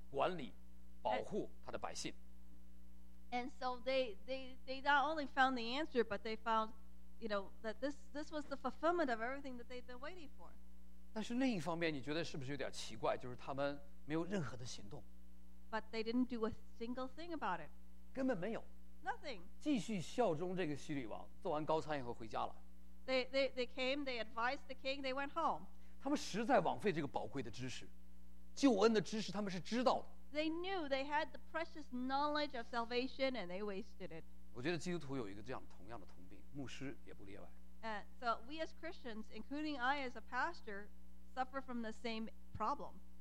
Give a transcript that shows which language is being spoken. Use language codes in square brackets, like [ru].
[zh] 换句话说，他不光说出了地方，说出他是大卫的子孙，还来做什么？牧养、管理、保护他的百姓。 [en] And so they not only found the answer, but they found, you know, that this was the fulfillment of everything that they'd been waiting for. [zh] 但是另一方面，你觉得是不是有点奇怪？就是他们没有任何的行动。 [en] But they didn't do a single thing about it. [zh] 根本没有。 [en] Nothing. [zh] 继续效忠这个希律王，做完高餐以后回家了。 [en] They came. They advised the king. They went home. [zh] 他们实在枉费这个宝贵的知识，救恩的知识，他们是知道的。 [en] They knew they had the precious knowledge of salvation, and they wasted it. [zh] 我觉得基督徒有一个这样同样的通病，牧师也不例外。 [en] And so we as Christians, including I as a pastor, suffer from the same problem.